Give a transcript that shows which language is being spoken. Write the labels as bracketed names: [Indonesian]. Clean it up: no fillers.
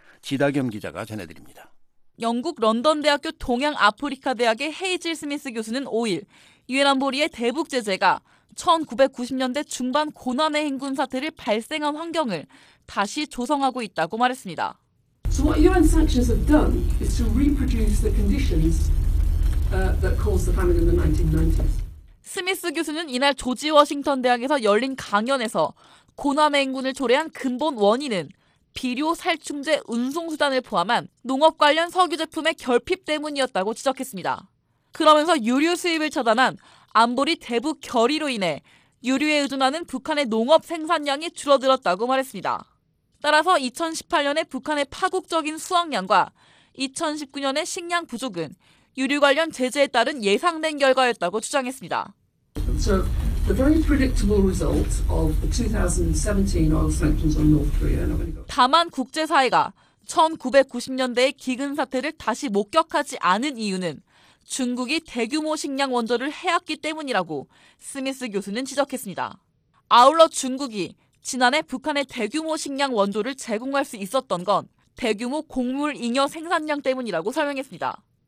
[Korean] 지다겸 기자가 전해드립니다. 영국 런던대학교 동양아프리카대학의 헤이즐 스미스 교수는 5일 유엔 안보리의 대북 제재가 1990년대 중반 고난의 행군 사태를 발생한 환경을 다시 조성하고 있다고 말했습니다. [English] So what UN sanctions have done is to reproduce the conditions that caused the famine in the 1990s. [Korean] 스미스 교수는 이날 조지 워싱턴 대학에서 열린 강연에서 고난의 행군을 초래한 근본 원인은 비료 살충제 운송 수단을 포함한 농업 관련 석유 제품의 결핍 때문이었다고 지적했습니다. 그러면서 유류 수입을 차단한 안보리 대북 결의로 인해 유류에 의존하는 북한의 농업 생산량이 줄어들었다고 말했습니다. 따라서 2018년에 북한의 파국적인 수확량과 2019년의 식량 부족은 유류 관련 제재에 따른 예상된 결과였다고 주장했습니다. [English] So the very predictable result of the 2017 oil sanctions on North Korea. [Korean] 다만 국제사회가 1990년대의 기근 사태를 다시 목격하지 않은 이유는 중국이 대규모 식량 원조를 해왔기 때문이라고 스미스 교수는 지적했습니다. 아울러 중국이 지난해 북한에 대규모 식량 원조를 제공할 수 있었던 건 대규모 곡물 잉여 생산량 때문이라고 설명했습니다.